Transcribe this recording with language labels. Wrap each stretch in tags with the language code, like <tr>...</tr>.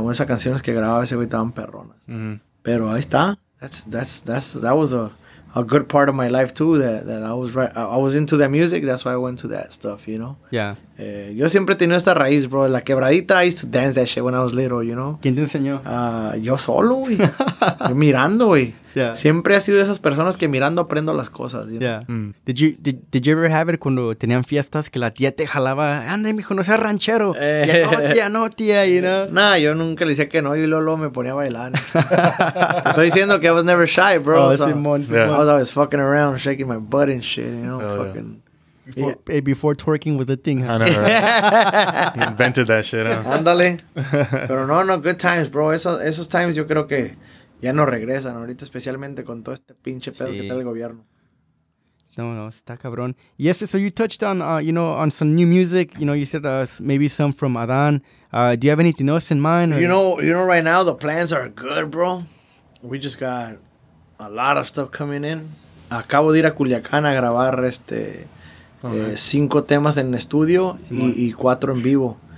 <es>Una de esas canciones que grababa ese güey estaban perronas. Mm. Pero ahí está.</es> <en>That was a good part of my life too. That I was right. I was into that music. That's why I went to that stuff. You know. Yeah.</en> <es>Yo siempre tenía esta raíz, bro. La quebradita.</es> <en>I used to dance that shit when I was little. You know.</en> <es>¿Quién te enseñó? Yo solo, güey. Yo mirando, güey.</es> <en>Yeah.</en> <es>Siempre ha sido de esas personas que mirando aprendo las cosas. You know? Yeah. Mm.</es> <en>Did you ever have it</en> <es>cuando tenían fiestas que la tía te jalaba? Ande, mijo, no seas ranchero. Ya no, tía. You know. Nah, yo nunca le decía que no. Yo luego me ponía a bailar. Te estoy diciendo que</es> <en>I was never shy, bro.</en> <es>Oh, Simón.</es> <en>I was always fucking around, shaking my butt and shit. You know, Before twerking was a thing. Huh? I know. Right? He invented that shit.</en> <es>Ándale. Pero no,</es> <en>good times,</en> <es>bro. Esos times, yo creo que ya no regresan ahorita, especialmente con todo este pinche pedo que está el gobierno. No, está cabrón.</es> <en>Yes, so you touched on, you know, on some new music. You know, you said maybe some from Adan. Do you have anything else in mind? Or? You know, right now the plans are good, bro. We just got a lot of stuff coming in.</en> <es>Acabo de ir a Culiacán a grabar cinco temas en estudio y cuatro en vivo.</es>